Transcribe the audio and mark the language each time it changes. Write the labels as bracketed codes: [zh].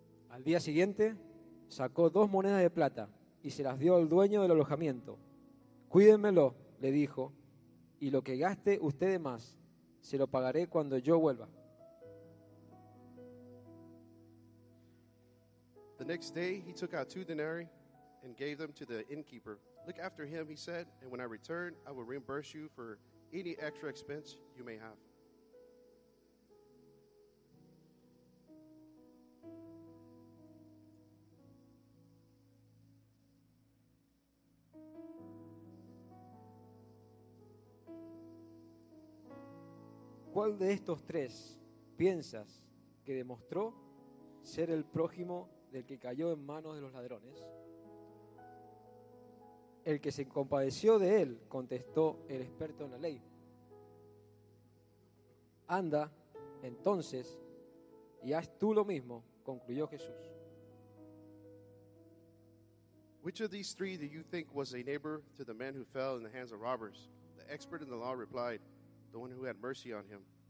[es] Al día siguiente, sacó 2 monedas de plata y se las dio al dueño del alojamiento. Cuídenmelo, le dijo, y lo que gaste usted de más, se lo pagaré cuando yo vuelva. [en] The next day he took out 2 denarii and gave them to the innkeeper. Look after him, he said, and when I return, I will reimburse you for any extra expense you may have. [es] ¿Cuál de estos 3 piensas que demostró ser el prójimo del que cayó en manos de los ladrones? El que se compadeció de él, contestó el experto en la ley. Anda, entonces, y haz tú lo mismo, concluyó Jesús. [en] Which of these 3 do you think was a neighbor to the man who fell in the hands of robbers? The expert in the law replied, the one who had mercy on him.